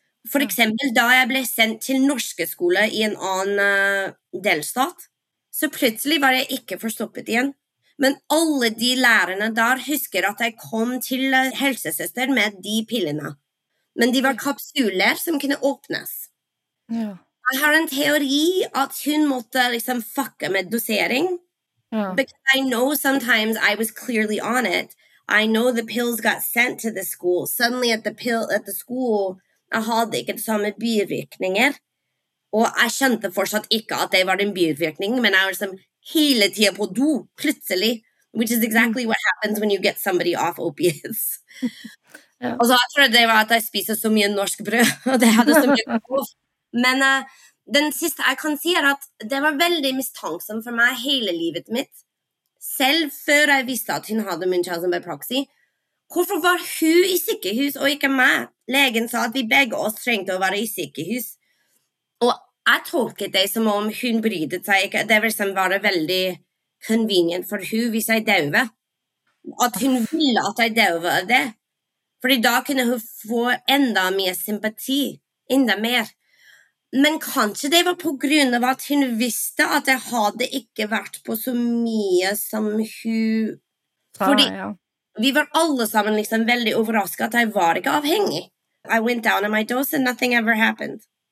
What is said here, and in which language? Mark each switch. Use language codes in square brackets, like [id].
[no] For eksempel da jeg ble sendt til norske skole I en annen delstat, så plutselig var jeg ikke forstoppet igjen. Men alle de lærerne der husker at jeg kom til helsesøster med de pillene. Men de var kapsuler som kunne åpnes. Ja. Jeg har en teori at hun måtte liksom fucke med dosering. Ja. [en] Because I know sometimes I was clearly on it. I know the pills got sent to the school. Suddenly at the school, [no] jeg hadde ikke det samme bivirkninger. Og jeg kjente fortsatt ikke at det var en bivirkning, men jeg var som hele tiden på do, plutselig. [en] Which is exactly what happens when you get somebody off opiates. [no] Ja. Og så jeg tror det var at jeg spiser så mye norsk brød, og det hadde så mye brød. Men den siste jeg kan si at det var veldig mistanksom for meg hele livet mitt. Selv før jeg visste at hun hadde Munchausen by proxy. Hvorfor var hun I sykehus og ikke meg? Legen sa at vi begge oss trengte å være I sykehus. Og jeg tolket det som om hun brydde seg ikke. Det var som bare veldig convenient for hun hvis jeg døde. At hun ville at jeg døde av det. Fordi da kunne hun få enda mer sympati. Enda mer. Men kanskje det var på grunn av at hun visste at jeg hadde ikke vært på så mye som hun... Fordi vi var alle sammen liksom veldig overrasket at jeg var ikke avhengig. [en] I went down on my dose and nothing ever happened.